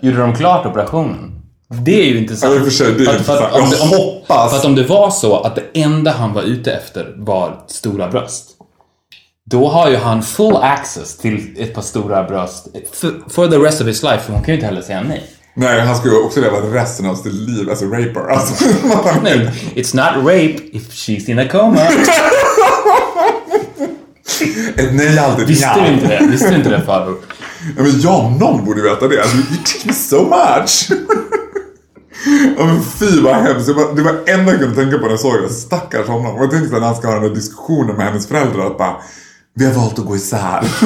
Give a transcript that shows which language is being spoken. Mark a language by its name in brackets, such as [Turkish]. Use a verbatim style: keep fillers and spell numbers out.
[Swedish] Gjorde de klart operationen? Det är ju intressant. Ja, för sig, det är för, för, intressant. Om det, om, jag hoppas. För att om det var så att det enda han var ute efter var stora bröst, då har ju han full access till ett par stora bröst [English] for, for the rest of his life. [Swedish] För hon kan ju inte heller säga nej. Nej, han skulle också leva resten av sitt liv [English] as a raper [Swedish] alltså. [English] Nej, it's not rape if she's in a coma. [Swedish] Ett nej aldrig. Visste du inte det? Visste du inte det, farbror? Ja, men jag, någon borde veta det. [English] You teach me so much. [Swedish] Ja, men fy vad hemskt. Det var enda jag kunde tänka på när jag såg det. Stackars honom. Och jag tänkte att han ska ha den här diskussionen med hennes föräldrar att bara, vi har valt att gå isär.